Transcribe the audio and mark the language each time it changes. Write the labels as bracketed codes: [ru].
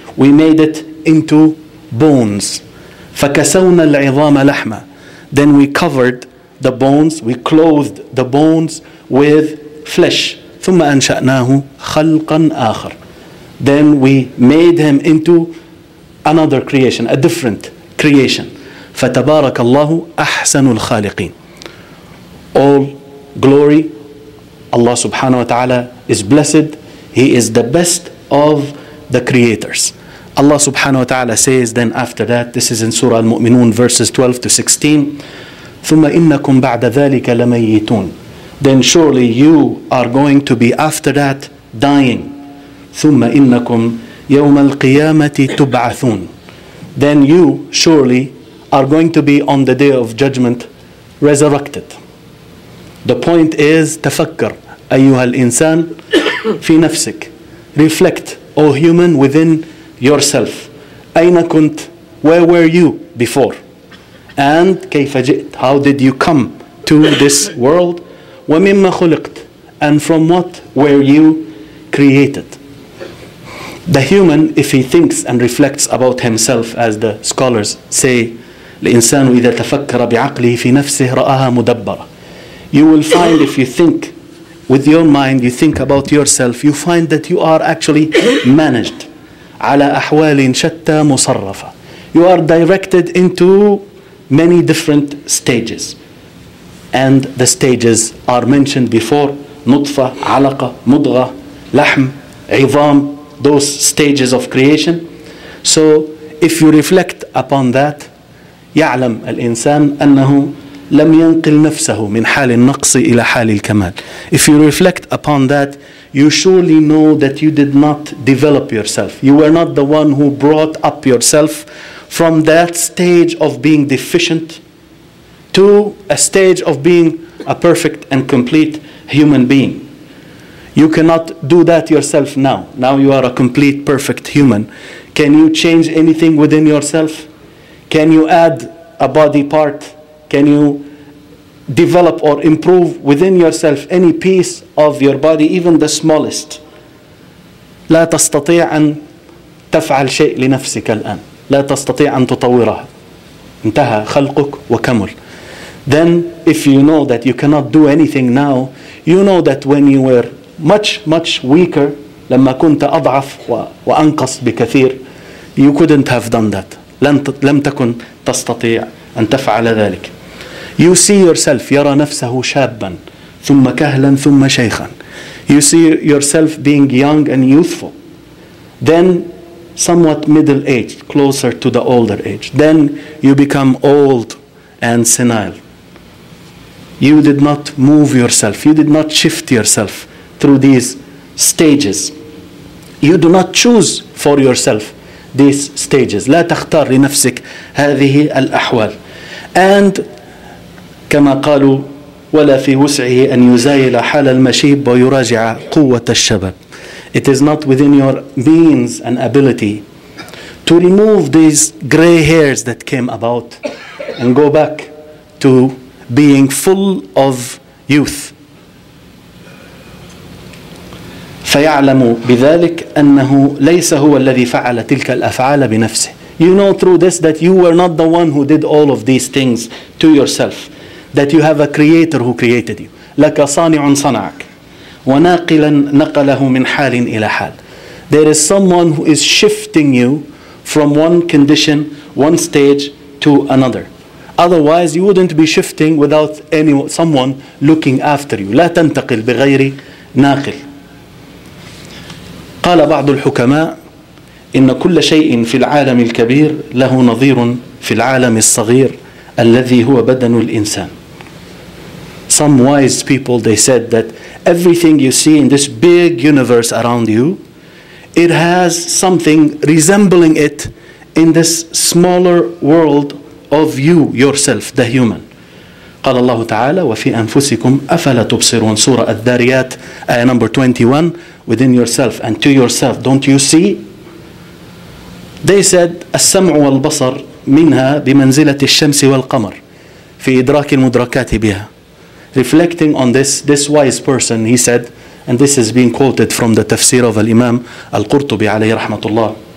[en] We made it into bones. [ar] فكسونا العظام لحما. [en] Then we covered the bones, we clothed the bones with flesh. [ar] ثم أنشأناه خلقا آخر. [en] Then we made him into another creation, a different creation. [ar] فتبارك الله أحسن الخالقين. [en] All glory, Allah subhanahu wa ta'ala is blessed. He is the best of the creators. Allah subhanahu wa ta'ala says then after that, this is in Surah Al-Mu'minun verses 12 to 16. [ar] ثم إنكم بعد ذلك لميتون. [en] Then surely you are going to be after that dying. [ar] ثم إنكم يوم القيامة تبعثون. [en] Then you surely are going to be on the day of judgment resurrected. The point is, [ar] تفكر أيها الإنسان في نفسك. [en] Reflect, O human, within yourself. [ar] أين كنت? [en] Where were you before? And [ar] كيف جئت? [en] How did you come to this world? [ar] وَمِمَّ خُلِقْتَ [en] and from what were you created? The human, if he thinks and reflects about himself, as the scholars say, [ar] الإنسان إذا تفكر بعقله في نفسه رآها مدبرة. [en] You will find if you think with your mind, you think about yourself, you find that you are actually managed. [ar] على أحوال شتى مصرفة. [en] You are directed into many different stages. And the stages are mentioned before. [ar] نطفة, علقة, مضغة, لحم, عظام. [en] Those stages of creation. So if you reflect upon that, [ar] يعلم الإنسان أنه لم ينقل نفسه من حال النقص إلى حال الكمال. [en] If you reflect upon that, you surely know that you did not develop yourself. You were not the one who brought up yourself from that stage of being deficient to a stage of being a perfect and complete human being. You cannot do that yourself now. Now you are a complete, perfect human. Can you change anything within yourself? Can you add a body part? Can you develop or improve within yourself any piece of your body, even the smallest? [ar] لا تستطيع أن تفعل شيء لنفسك الآن. لا تستطيع أن تطورها. انتهى خلقك وكمل. [en] Then if you know that you cannot do anything now, you know that when you were much, much weaker, [ar] لما كنت أضعف وأنقص بكثير, [en] you couldn't have done that. [ar] لم تكن تستطيع أن تفعل ذلك. [en] You see yourself, [ar] يرى نفسه شابا, ثم كهلا, ثم شيخا. [en] You see yourself being young and youthful. Then somewhat middle-aged, closer to the older age. Then you become old and senile. You did not move yourself. You did not shift yourself through these stages. You do not choose for yourself these stages. [ar] لا تختار لنفسك هذه الأحوال. And كما قالوا ولا في وسعه أن يزايل حال المشيب ويراجع قوة الشباب. [en] It is not within your means and ability to remove these gray hairs that came about and go back to being full of youth. [ar] فيعلم بذلك أنه ليس هو الذي فعل تلك الأفعال بنفسه. [en] You know through this that you were not the one who did all of these things to yourself. That you have a creator who created you. [ar] لك صانع صنعك وناقلا نقله من حال إلى حال. [en] There is someone who is shifting you from one condition, one stage to another. Otherwise, you wouldn't be shifting without someone looking after you. [ar] لا تنتقل بغير ناقل. قال بعض الحكماء إن كل شيء في العالم الكبير له نظير في العالم الصغير الذي هو بدن الإنسان. [en] Some wise people, they said that everything you see in this big universe around you, it has something resembling it in this smaller world of you, yourself, the human. [ar] قال الله تعالى وفي أنفسكم أفلا تبصرون سورة الذاريات آية [en] number 21 within yourself and to yourself. Don't you see? They said [ar] السمع والبصر منها بمنزلة الشمس والقمر في إدراك المدركات بها. [en] Reflecting on this wise person, he said, and this is being quoted from the tafsir of Al-Imam Al-Qurtubi [ar] عليه رحمة الله.